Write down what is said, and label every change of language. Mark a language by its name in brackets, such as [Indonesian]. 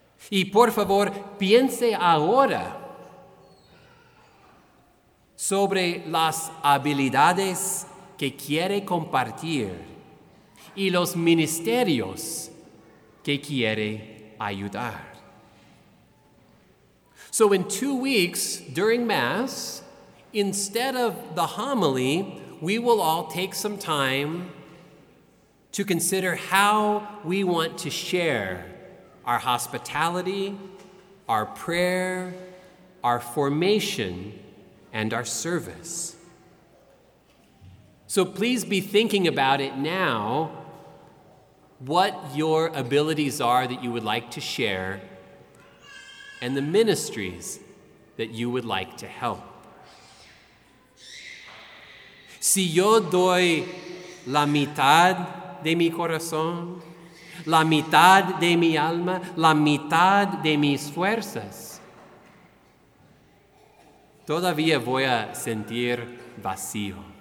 [Spanish] Y por favor, piense ahora sobre las habilidades que quiere compartir y los ministerios que quiere ayudar. [English] So in 2 weeks, during Mass, instead of the homily, we will all take some time to consider how we want to share our hospitality, our prayer, our formation, and our service. So please be thinking about it now, what your abilities are that you would like to share, and the ministries that you would like to help. [Spanish] Si yo doy la mitad de mi corazón, la mitad de mi alma, la mitad de mis fuerzas, todavía voy a sentir vacío.